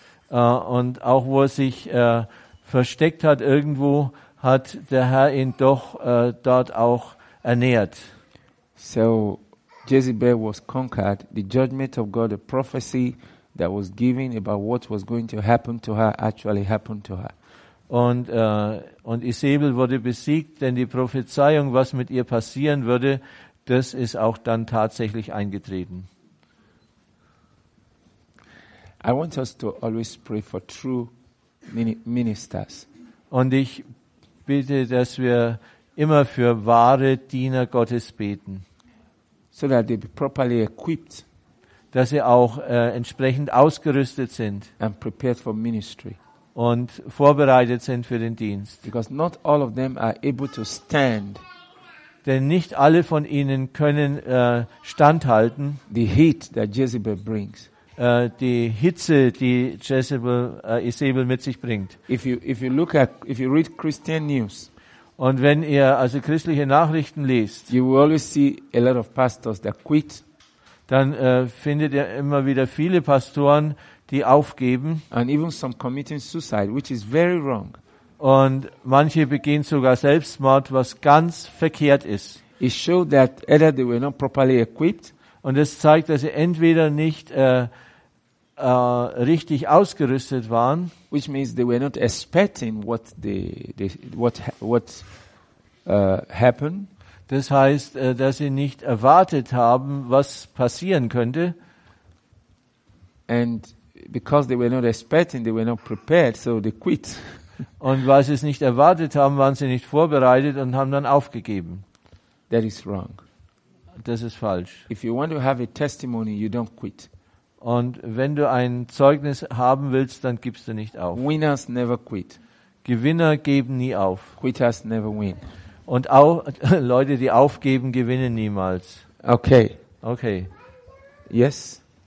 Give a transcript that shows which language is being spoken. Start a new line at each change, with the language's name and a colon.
German: Und auch wo er sich versteckt hat irgendwo, hat der Herr ihn doch dort auch ernährt.
English: So Jezebel was conquered. The judgment of God, the prophecy that was given about what was going to happen to her, actually happened to her.
German: Und Isabel wurde besiegt, denn die Prophezeiung, was mit ihr passieren würde, das ist auch dann tatsächlich eingetreten.
English: I want us to always pray for true ministers.
German: Und ich bitte, dass wir immer für wahre Diener Gottes beten.
English: So that they be properly equipped.
German: Dass sie auch entsprechend ausgerüstet sind.
English: And prepared for ministry.
German: Und vorbereitet sind für den Dienst.
English: Because not all of them are able to stand.
German: Denn nicht alle von ihnen können standhalten.
English: The heat that Jezebel brings.
German: Die Hitze, die Jezebel, Isabel mit sich bringt.
English: If you read Christian news.
German: Und wenn ihr also christliche Nachrichten liest.
English: You will always see a lot of pastors that quit.
German: Dann findet ihr immer wieder viele Pastoren, die aufgeben.
English: And even some committing suicide, which is very wrong.
German: Und manche begehen sogar Selbstmord, was ganz verkehrt ist.
English: It showed that either they were not properly equipped.
German: Und es zeigt, dass sie entweder nicht richtig ausgerüstet waren.
English: Which means they were not expecting what they what happened.
German: Das heißt, dass sie nicht erwartet haben, was passieren könnte.
English: And because they were not expecting, they were not prepared, so they quit.
German: Und weil sie es nicht erwartet haben, waren sie nicht vorbereitet und haben dann aufgegeben.
English: That is wrong.
German: Das ist falsch.
English: If you want to have a testimony, you don't quit.
German: Und wenn du ein Zeugnis haben willst, dann gibst du nicht auf.
English: Winners never quit.
German: Gewinner geben nie auf.
English: Quitters never win.
German: Und auch Leute, die aufgeben, gewinnen niemals.
English: Okay. Okay. Yes.